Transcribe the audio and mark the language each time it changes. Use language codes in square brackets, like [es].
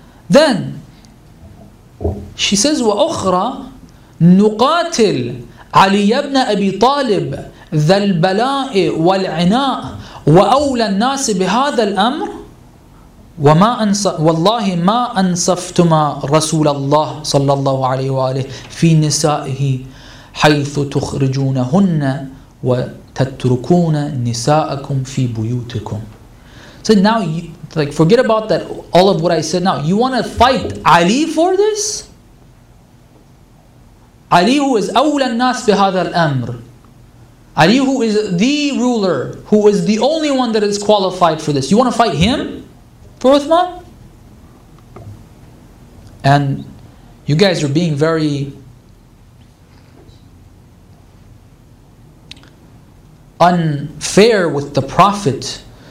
[en] Then, she says, [ar] وَأُخْرَى نُقَاتِلْ عَلِيَّ بْنَ أَبِي طَالِبٍ ذَا الْبَلَاءِ وَالْعِنَاءِ وَأَوْلَى النَّاسِ بِهَذَا الْأَمْرِ وَمَا وَاللَّهِ مَا أَنْصَفْتُمَا رَسُولَ اللَّهِ صَلَّى اللَّهُ عَلَيْهِ وَآلِهِ فِي نِسَائِهِ حَيْثُ تُخْرِجُونَهُنَّ تَتْرُكُونَ نِسَاءَكُمْ فِي بُيُوتِكُمْ. [en] So now, forget about that, all of what I said now. You want to fight Ali for this? Ali, who is [ar] أَوْلَى النَّاسِ بِهَذَا الْأَمْرِ. [en] Ali, who is the ruler, who is the only one that is qualified for this. You want to fight him for Uthman? And you guys are being very unfair with the Prophet.